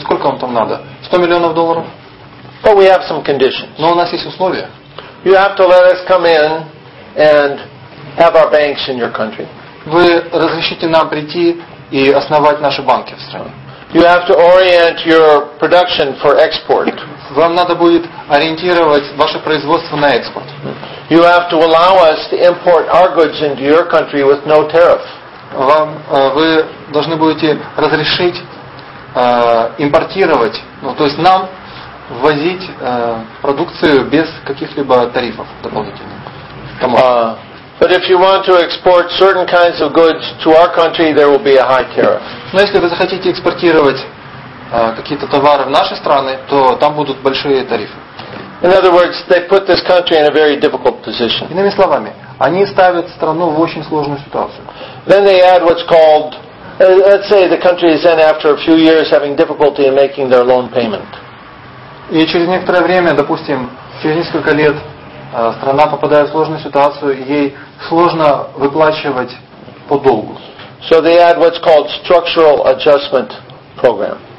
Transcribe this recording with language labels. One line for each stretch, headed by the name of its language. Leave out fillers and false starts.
Russian: Сколько вам там надо? $100 миллионов.
English: But we have some conditions.
Russian: Но у нас есть условия.
English: You have to let us come in and have our banks in your country.
Russian: Вы разрешите нам прийти и основать наши банки в стране.
English: You have to orient your production for export.
Russian: Вам надо будет ориентировать ваше производство на экспорт.
English: You have to allow us to import our goods into your country with no tariff.
Russian: Вы должны будете разрешить импортировать, ну, то есть нам ввозить продукцию без каких-либо тарифов дополнительных.
English: But if you want to export certain kinds of goods to our country, there will be a high tariff.
Russian: Но если вы захотите экспортировать какие-то товары в наши страны, то там будут большие тарифы.
English: In other words, they put this country in a very difficult position.
Russian: Иными словами, они ставят страну в очень сложную ситуацию.
English: Then they add what's called, let's say the country is then after a few years having difficulty in making their loan payment.
Russian: И через некоторое время, допустим, через несколько лет, страна попадает в сложную ситуацию, ей сложно выплачивать по долгу.
English: So they add what's called structural adjustment program.